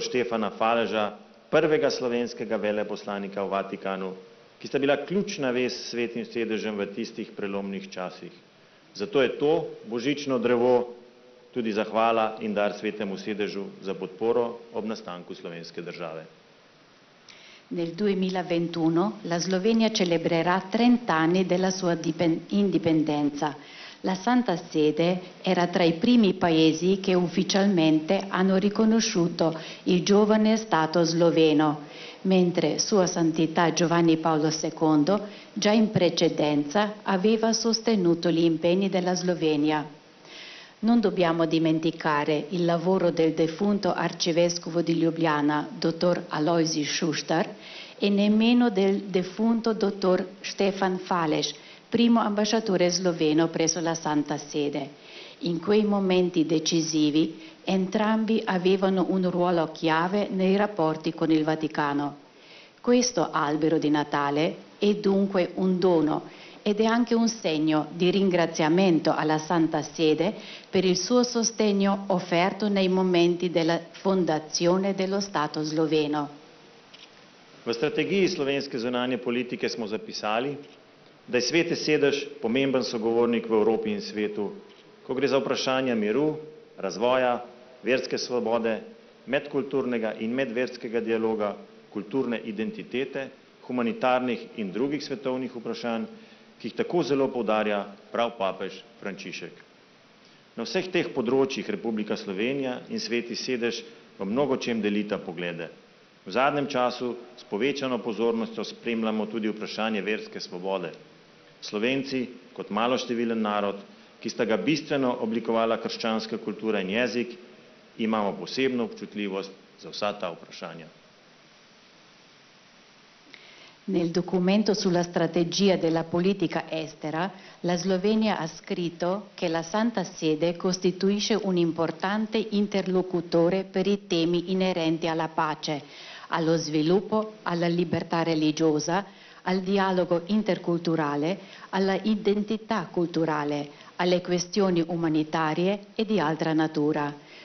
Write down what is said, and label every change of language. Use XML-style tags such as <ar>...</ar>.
<sl>Štefana Faleža, prvega slovenskega veleposlanika v Vatikanu, ki sta bila ključna vez s svetim sedežem v tistih prelomnih časih. Zato je to božično drevo tudi zahvala in dar svetemu sedežu za podporo ob nastanku slovenske države.</sl> <it>Nel 2021 la Slovenia celebrerà 30 anni della sua indipendenza. La Santa Sede era tra i primi paesi che ufficialmente hanno riconosciuto il giovane Stato sloveno, mentre Sua Santità Giovanni Paolo II già in precedenza aveva sostenuto gli impegni della Slovenia. Non dobbiamo dimenticare il lavoro del defunto arcivescovo di Ljubljana, dottor Alojzij Šuštar, e nemmeno del defunto dottor Štefan Faleš, primo ambasciatore sloveno presso la Santa Sede. In quei momenti decisivi, entrambi avevano un ruolo chiave nei rapporti con il Vaticano. Questo albero di Natale è dunque un dono, ed è anche un segno di ringraziamento alla Santa Sede per il suo sostegno offerto nei momenti della fondazione dello Stato sloveno.</it> <sl>V strategiji slovenske zunanje politike smo zapisali, da je Sveti sedež pomemben sogovornik v Evropi in svetu, ko gre za vprašanja miru, razvoja, verske svobode, medkulturnega in medverskega dialoga, kulturne identitete, humanitarnih in drugih svetovnih vprašanj, ki jih tako zelo poudarja prav papež Frančišek. Na vseh teh področjih Republika Slovenija in Sveti sedež v mnogo čem delita poglede. V zadnjem času s povečano pozornostjo spremljamo tudi vprašanje verske svobode. Slovenci, kot maloštevilen narod, ki sta ga bistveno oblikovala krščanska kultura in jezik, imamo posebno občutljivost za vsa ta vprašanja.</sl> <it>Nel documento sulla strategia della politica estera, la Slovenia ha scritto che la Santa Sede costituisce un importante interlocutore per i temi inerenti alla pace, allo sviluppo, alla libertà religiosa, al dialogo interculturale, alla identità culturale, alle questioni umanitarie e di altra natura.</it>